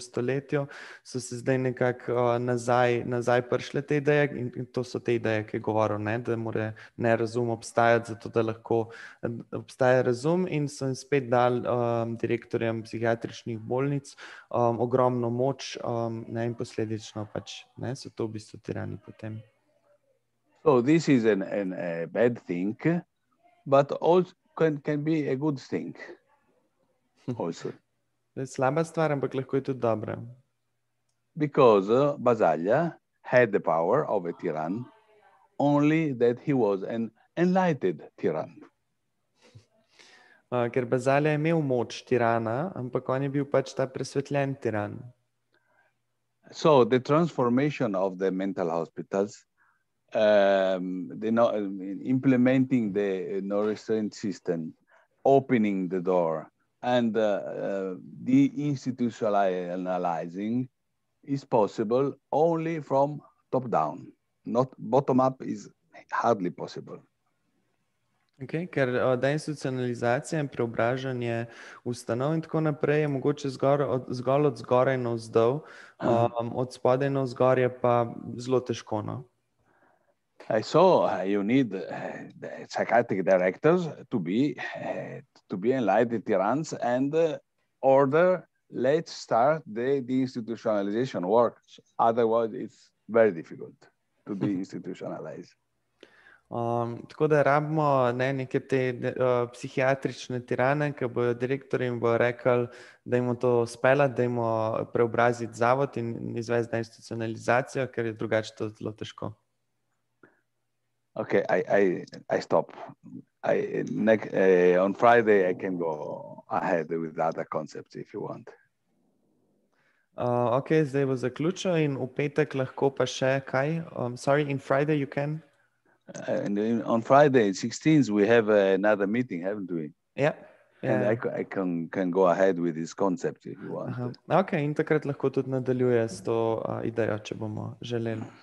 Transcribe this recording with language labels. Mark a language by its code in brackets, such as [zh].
[sl] stoletju, so se zdaj nekako nazaj prišle te ideje in to so te ideje, ki je govoril, ne, da mora ne razum obstajati, zato da lahko obstaja razum in so jim spet dal direktorjem psihiatričnih bolnic ogromno moč ne, in posledično pač ne, so to v bistvu tirani potem. [en] So this is a bad thing, but also can be a good thing also. [sl] Je slaba stvar, ampak lahko je tudi dobra. [en] Because Basaglia had the power of a tyrann, only that he was an enlightened tyrann. [sl] Ker Basaglia je imel moč tirana, ampak on je bil pač ta presvetljen tiran. [en] So the transformation of the mental hospitals implementing the no restraint system, opening the door, and de-institutionalizing is possible only from top down. Not bottom up is hardly possible. [sl] Okay, ker deinstitucionalizacija in preobražanje ustanov in tako naprej je mogoče zgolj od zgoraj na vzdol, od spodaj na vzgor je pa zelo težko, no? [en] So you need the psychiatric directors to be enlightened tyrants and order, let's start the deinstitutionalization work. Otherwise, it's very difficult to deinstitutionalize. [sl] Tako da rabimo neke te psihiatrične tirane, ki bojo direktori in bojo rekli, da jim to spela, da jim preobraziti zavod in izvesti institucionalizacijo, ker je drugače to zelo težko. [en] Okay, I stop. On Friday I can go ahead with other concepts if you want. [sl] Okay, zdaj bo zaključil in v petek lahko pa še kaj? [en] Sorry, in Friday you can? On Friday 16th we have another meeting, haven't we? Yeah. And I can go ahead with this concept if you want. Aha. [sl] Okay, in takrat lahko tudi nadaljuje s to idejo, če bomo želeli.